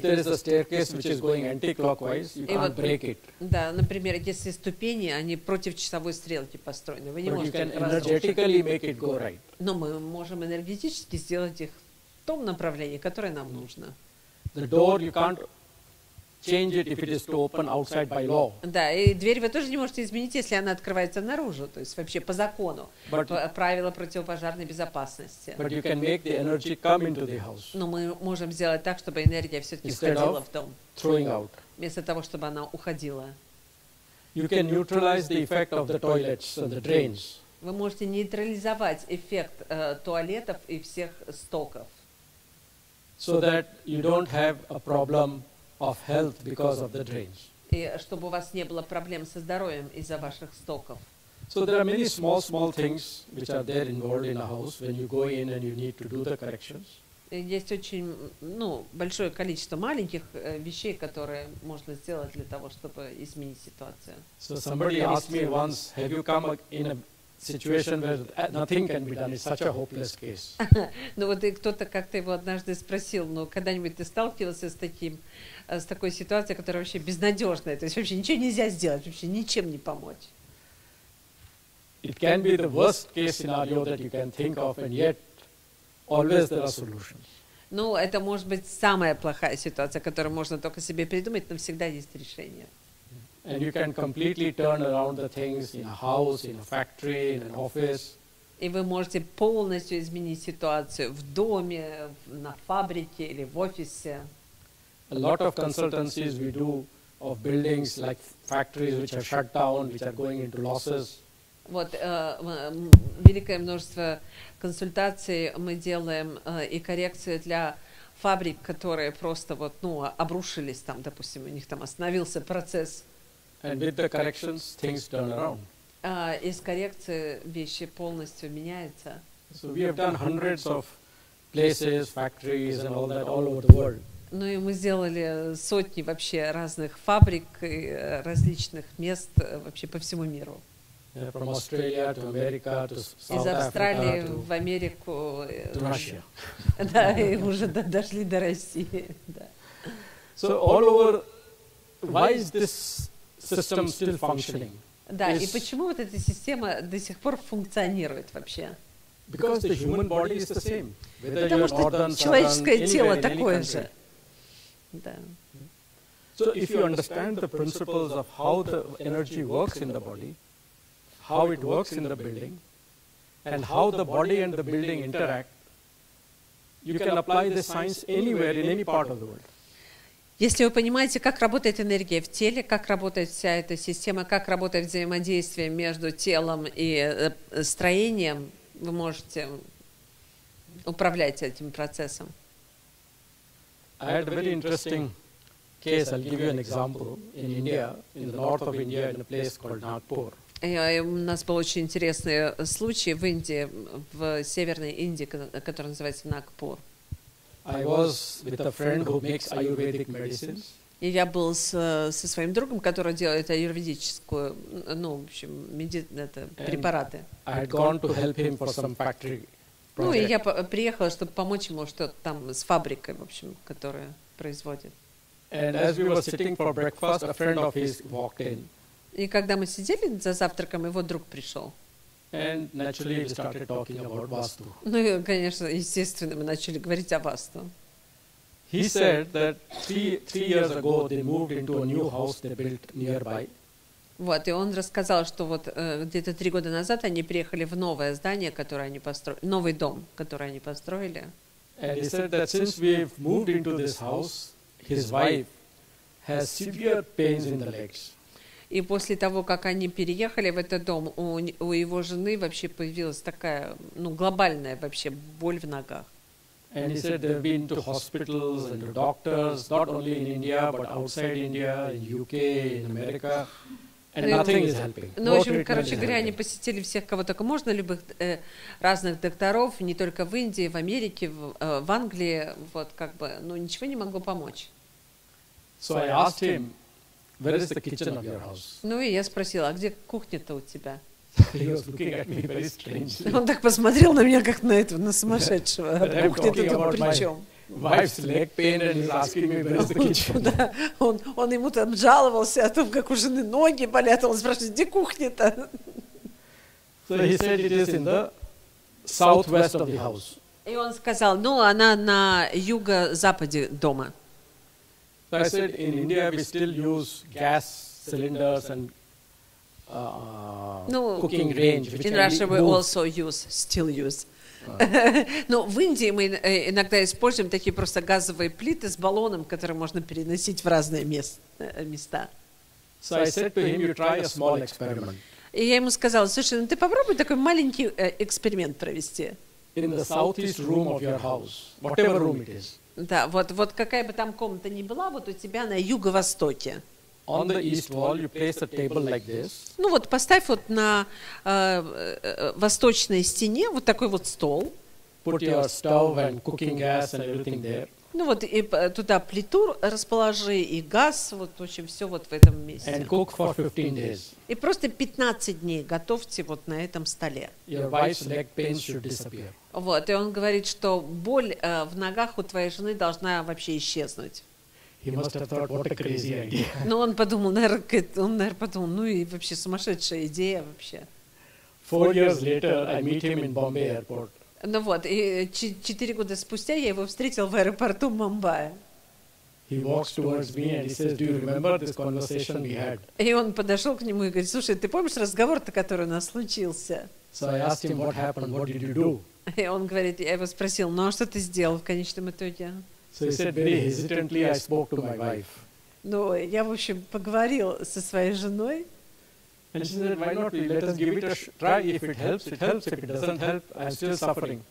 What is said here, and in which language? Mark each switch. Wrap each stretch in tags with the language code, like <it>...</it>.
<en>If there is a staircase which is going anti-clockwise, you can't break it.</en> <ru>Да, например, если ступени, они против часовой стрелки построены, вы не можете их разрушить.</ru> <en>But you can energetically make it go right.</en> <ru>Но мы можем энергетически сделать их в том направлении, которое нам нужно.</ru> <en>The door you can't change it if it is to open outside by law.</en> <ru>Да, и дверь вы тоже не можете изменить, если она открывается наружу, то есть вообще по закону, правила противопожарной безопасности.</ru> <en>But you can make the energy come into the house.</en> <ru>Но мы можем сделать так, чтобы энергия все-таки входила в дом.</ru> <en>Throwing out.</en> <ru>Вместо того, чтобы она уходила.</ru> <en>You can neutralize the effect of the toilets and the drains.</en> <ru>Вы можете нейтрализовать эффект туалетов и всех стоков.</ru> <en>So that you don't have a problem of health because of the drains.</en> <ru>И чтобы у вас не было проблем со здоровьем из-за ваших стоков.</ru> <en>So there are many small things which are there involved in a house when you go in and you need to do the corrections.</en> <ru>Есть очень, ну, большое количество маленьких вещей, которые можно сделать для того, чтобы изменить ситуацию.</ru> <en>So somebody asked me once, have you come in a situation where nothing can be done? It's such a hopeless case.</en> <ru>Ну вот и кто-то как-то его однажды спросил, ну когда-нибудь ты сталкивался с таким, с такой ситуацией, которая вообще безнадежная, то есть вообще ничего нельзя сделать, вообще ничем не помочь.</ru> <en>It can be the worst case scenario that you can think of, and yet always there are solutions.</en> <ru>Ну, это может быть самая плохая ситуация, которую можно только себе придумать, но всегда есть решение.</ru> <en>And you can completely turn around the things in a house, in a factory, in an office.</en> <ru>И вы можете полностью изменить ситуацию в доме, на фабрике или в офисе.</ru> <en>A lot of consultancies we do of buildings like factories which are shut down, which are going into losses.</en> <ru>Вот великое множество консультаций мы делаем и коррекции для фабрик, которые просто вот, ну, обрушились там, допустим, у них там остановился процесс.</ru> <en>And with the corrections, things turn around.</en> <ru>Из коррекции вещи полностью меняются.</ru> <en>So we have done hundreds of places, factories and all that all over the world.</en> <ru>Ну и мы сделали сотни вообще разных фабрик и различных мест вообще по всему миру.</ru> <en>Yeah, from Australia to America to South Africa.</en> <ru>Из Австралии в Америку.</ru> <en>To Russia.</en> <ru>Да, и уже дошли до России.</ru> <en>So all over, why is this system still functioning?</en> <ru>Да, и почему вот эта система до сих пор функционирует вообще?</ru> <en>Because the human body is the same.</en> <ru>Потому что человеческое тело такое же. Да.</ru> <en>So if you understand the principles of how the energy works in the body, how it works in the building, and how the body and the building interact, you can apply this science anywhere in any part of the world.</en> <ru>Если вы понимаете, как работает энергия в теле, как работает вся эта система, как работает взаимодействие между телом и строением, вы можете управлять этим процессом.</ru> <en>I had a very interesting case. I'll give you an example in India, in the north of India, in a place called Nagpur.</en> <ru>У нас был очень интересный случай в Индии, в северной Индии, который называется Нагпур.</ru> <en>I was with a friend who makes Ayurvedic medicines.</en> <ru>И я был со своим другом, который делает аюрведическую, ну, в общем, это, препараты.</ru> <en>I had gone to help him for some factory project.</en> <ru>Ну, и я приехала, чтобы помочь ему что-то там с фабрикой, в общем, которая производит.</ru> <en>And as we were sitting for breakfast, a friend of his walked in.</en> <ru>И когда мы сидели за завтраком, его друг пришел.</ru> <en>And naturally we started talking about Vastu.</en> <ru>Ну, и, конечно, естественно, мы начали говорить о Васту.</ru> <en>He said that three years ago they moved into a new house they built nearby.</en> <ru>Вот, и он рассказал, что вот где-то три года назад они приехали в новое здание, которое они построили, новый дом, который они построили.</ru> <en>And he said that since we've moved into this house, his wife has severe pains in the legs.</en> <ru>И после того, как они переехали в этот дом, у его жены вообще появилась такая, ну, глобальная вообще боль в ногах.</ru> <en>And he said they've been to hospitals and to doctors, not only in India, but outside India, in UK, in America, and nothing is helping.</en> <ru>Ну, в общем, короче говоря, они посетили всех, кого только можно, любых разных докторов, не только в Индии, в Америке, в Англии, вот как бы, ну, ничего не могло помочь.</ru> <en>So I asked him, where is the kitchen of your house?</en> <ru>Ну, и я спросила, а где кухня-то у тебя?</ru> <en>He was looking at me very strangely.</en> <ru>Он так посмотрел на меня, как на этого, на сумасшедшего. Кухня-то тут при чем?</ru> <en>Wife's leg pain and he's asking me, where's the kitchen?</en> <ru>Да, он ему там жаловался о том, как у жены ноги болят, он спрашивает, где кухня-то?</ru> <en>So he said it is in the southwest of the house.</en> <ru>И он сказал, ну, она на юго-западе дома.</ru> <en>So I said, in India we still use gas cylinders and cooking range, which in Russia we also still use.</en> <ru>Но в Индии мы иногда используем такие просто газовые плиты с баллоном, которые можно переносить в разные места.</ru> <en>So I said to him, you try a small experiment.</en> <ru>И я ему сказала, слушай, ну ты попробуй такой маленький эксперимент провести.</ru> <en>In the southeast room of your house, whatever room it is.</en> <ru>Да, вот какая бы там комната ни была, вот у тебя на юго-востоке.</ru> <en>On the east wall, you place a table like this.</en> <ru>Ну вот, поставь вот на восточной стене вот такой вот стол.</ru> <en>Put your stove and cooking gas and everything there.</en> <ru>Ну вот, и туда плиту расположи, и газ, вот, в общем, все вот в этом месте.</ru> <en>And cook for 15 days.</en> <ru>И просто 15 дней готовьте вот на этом столе.</ru> <en>Your wife's leg pain should disappear.</en> <ru>Вот, и он говорит, что боль в ногах у твоей жены должна вообще исчезнуть.</ru> <en>He must have thought, what a crazy idea.</en> <ru>Ну, он подумал, ну и вообще сумасшедшая идея вообще.</ru> <en>4 years later, I meet him in Bombay airport.</en> <ru>Ну вот, и 4 года спустя я его встретил в аэропорту Мумбаи.</ru> <en>He walks towards me and he says, do you remember this conversation we had?</en> <ru>И он подошел к нему и говорит, слушай, ты помнишь разговор-то, который у нас случился?</ru> <en>So I asked him, what happened, what did you do?</en> <ru>И он говорит, я его спросил, ну а что ты сделал в конечном итоге?</ru> <en>So he said, very hesitantly, I spoke to my wife.</en> <ru>Ну, я, в общем, поговорил со своей женой.</ru> <en>And she said, why not? Let us give it a try. If it helps, it helps. If it doesn't help, I'm still suffering.</en>